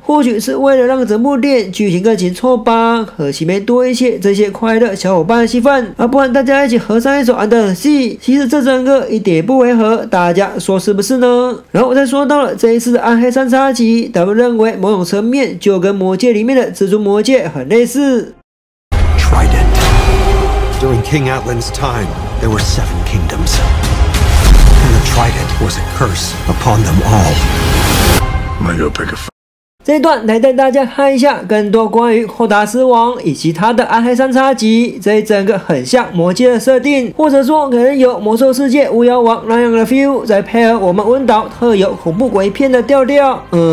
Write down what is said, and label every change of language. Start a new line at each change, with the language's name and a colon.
Chinese: 或许是为了让整部电影剧情更紧凑吧，可惜没多一些这些快乐小伙伴的戏份，而不然大家一起合唱一首安德的戏，其实这整个一点不违和，大家说是不是呢？然后再说到了这一次的暗黑三叉戟，咱们认为某种层面就跟魔戒里面的蜘蛛魔戒很类似。
English: During King Atlan's time, there were seven kingdoms, and the Trident was a curse upon them all. Might go pick a f-
Chinese: 这一段来带大家看一下更多关于霍达斯王以及他的暗黑三叉戟。这一整个很像魔戒的设定，或者说可能有魔兽世界巫妖王那样的 feel， 再配合我们温岛特有恐怖鬼片的调调。